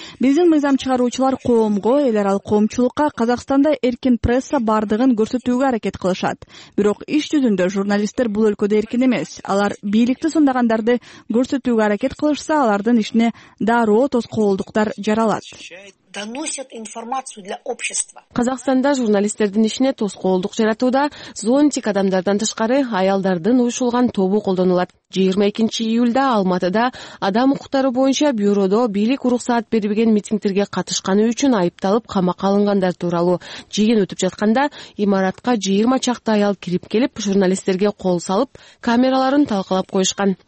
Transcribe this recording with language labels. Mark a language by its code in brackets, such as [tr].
[ky] Биздин мыйзам чыгаруучулар коомго, эл аралык коомчулукка Казакстанда эркин пресса бардыгын көрсөтүүгө аракет кылышат. Бирок иш жүзүндө журналисттер бул өлкөдө эркин эмес. Алар бийликти сындагандарды көрсөтүүгө аракет кылышса, алардын ишине дароо тоскоолдуктар жаралат. [ru] Доносят информацию для общества. [ky] Казакстанда журналисттердин ишине тоскоолдук жаратууда зоонтик адамдардан тышкары аялдардын уюшулган тобу колдонулат. 22 июлда Алматыда адам укуктары боюнча бюродо бийлик уруксат бербеген митингтерге катышканы үчүн айыпталып камакка алынгандар тууралуу жыйын өтүп жатканда имаратка 20 чакты аял кирип келип журналисттерге кол салып камераларын талкалап коюшкан.